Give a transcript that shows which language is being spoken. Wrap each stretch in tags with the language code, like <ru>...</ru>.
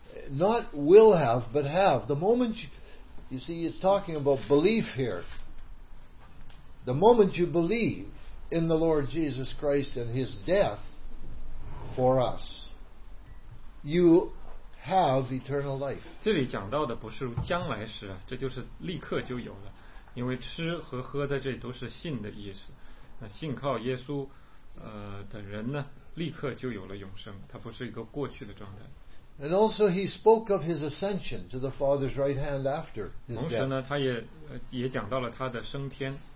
<en>Not will have, but have. The moment you see, he's talking about belief here. The moment you believe in the Lord Jesus Christ and his death for us, you have eternal life.</en> <zh>这里讲到的不是将来时，这就是立刻就有了。因为吃和喝在这里都是信的意思。那信靠耶稣的人呢，立刻就有了永生。它不是一个过去的状态。</zh> <en>And also he spoke of his ascension to the Father's right hand after his death.</en> <zh>同时呢，他也讲到了他的升天。</zh>